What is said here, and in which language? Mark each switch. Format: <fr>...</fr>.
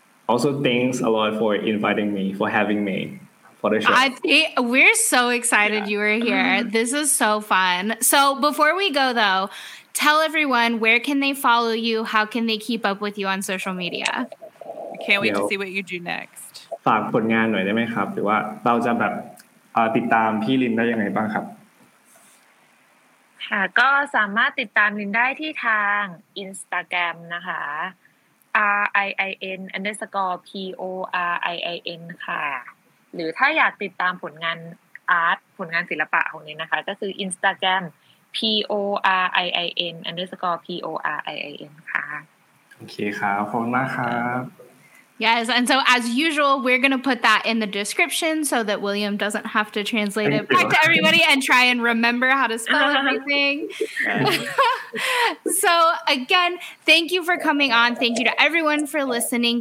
<en>Also thanks a lot for inviting me for having me for the show We're so excited you were here This is so fun So before we go though tell everyone where can they follow you how can they keep up with you on social media Can't wait to see what you do next</en> <th>ฝากผลงานหน่อยได้ไหมครับหรือว่าเราจะแบบติดตามพี่ลินได้ยังไงบ้างครับ ค่ะก็สามารถติดตามลินได้ที่ทาง Instagram นะคะ RIIN_PORIIN ค่ะหรือถ้าอยากติดตามผลงานอาร์ตผลงานศิลปะของนี้นะคะก็คือ Instagram PORIIN_PORIIN ค่ะ โอเคครับขอบคุณมากครับ</th> <en>Yes, and so as usual, we're going to put that in the description so that William doesn't have to translate it back to everybody and try and remember how to spell everything. So again, thank you for coming on. Thank you to everyone for listening.</en>